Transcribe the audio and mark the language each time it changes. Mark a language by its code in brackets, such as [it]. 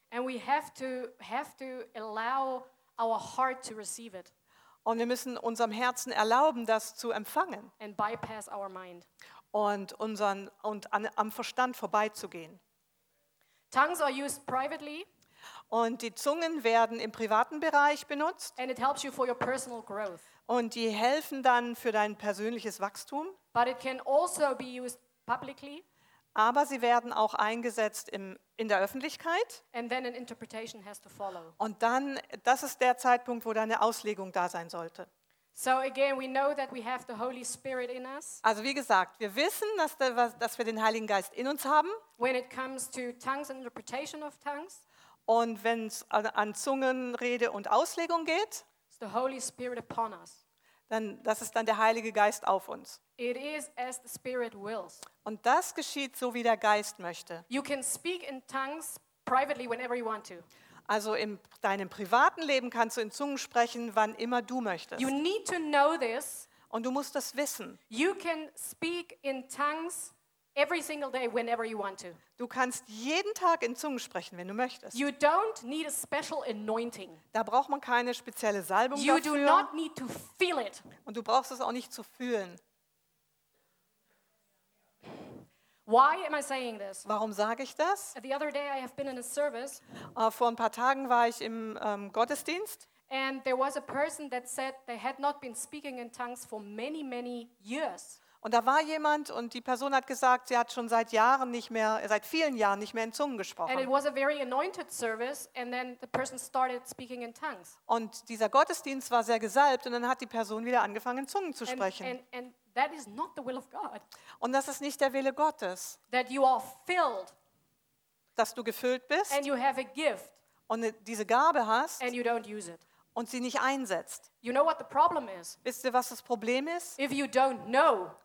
[en] And we have to allow our heart to receive it. [de] Und wir müssen unserem Herzen erlauben, das zu empfangen. [en] And bypass our mind. [de] Und am Verstand vorbeizugehen. [en] Tongues are used privately. [de] Und die Zungen werden im privaten Bereich benutzt. [en] And it helps you for your personal growth. [de] Und die helfen dann für dein persönliches Wachstum. [en] But it can also be used publicly. [de] Aber sie werden auch eingesetzt in der Öffentlichkeit. [en] And then an interpretation has to follow. [de] Und dann, das ist der Zeitpunkt, wo deine Auslegung da sein sollte. [en] So again, we know that we have the Holy Spirit in us. [de] Also wie gesagt, wir wissen, dass wir den Heiligen Geist in uns haben. [en] When it comes to tongues and interpretation of tongues. [de] Und wenn es an Zungenrede und Auslegung geht, [en] it's the Holy Spirit upon us. [de] Dann das ist dann der Heilige Geist auf uns. [en] It is as the Spirit wills. [de] Und das geschieht so, wie der Geist möchte. [en] You can speak in tongues privately whenever you want to. [de] Also in deinem privaten Leben kannst du in Zungen sprechen, wann immer du möchtest. [en] You need to know this. [de] Und du musst das wissen. [en] You can speak in tongues every single day, whenever you want to. [de] Du kannst jeden Tag in Zungen sprechen, wenn du möchtest. [en] You don't need a special anointing. [de] Da braucht man keine spezielle Salbung [en] you [de] dafür. [en] Do not need to feel it. [de] Und du brauchst es auch nicht zu fühlen. [en] Why am I saying this? [de] Warum sage ich das? [en] The other day I have been in a service. [de] Vor ein paar Tagen war ich im Gottesdienst. [en] And there was a person that said they had not been speaking in tongues for many, many years. [de] Und da war jemand und die Person hat gesagt, sie hat schon seit Jahren nicht mehr, seit vielen Jahren nicht mehr in Zungen gesprochen. [en] And it was a very anointed service and then the person started speaking in tongues. [de] Und dieser Gottesdienst war sehr gesalbt und dann hat die Person wieder angefangen in Zungen zu sprechen. [en] And that is not the will of God. [de] Und das ist nicht der Wille Gottes. [en] That you are filled. [de] Dass du gefüllt bist. [en] And you have a gift. [de] Und diese Gabe hast. [en] And you don't use it. [de] Und sie nicht einsetzt. [en] You know what the problem is? [de] Wisst ihr, was das Problem ist? [en] If you don't know.